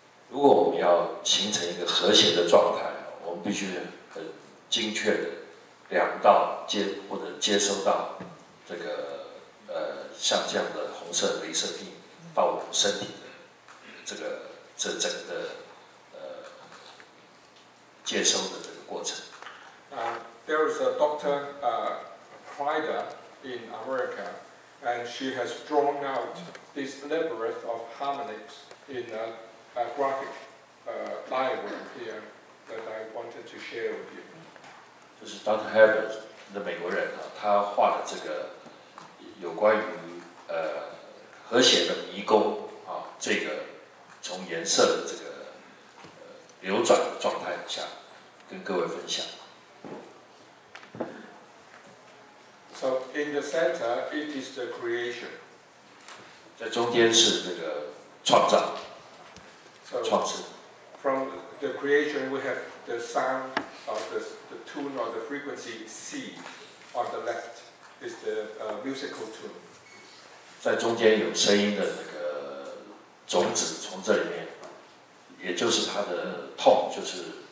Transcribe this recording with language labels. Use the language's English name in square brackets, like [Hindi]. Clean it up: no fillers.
[Chinese] 如果我们要形成一个和谐的状态，我们必须很精确的量到或者接收到这个像这样的红色镭射镜到我们身体的这整个接收的这个过程。 [English] There is a doctor, Prider in America, and she has drawn out this labyrinth of harmonics in a graphic diagram here that I wanted to share with you. [Chinese] 就是 Dr. Havers 的美国人啊，他画了这个有关于和谐的迷宫啊，这个从颜色的这个流转的状态下跟各位分享。 [English] So in the center, it is the creation. [Chinese] 在中间是这个创造。创世。 [English] From the creation, we have the sound of the tune or the frequency C on the left is the musical tune. [Chinese] 在中间有声音的那个种子从这里面，也就是它的tone，就是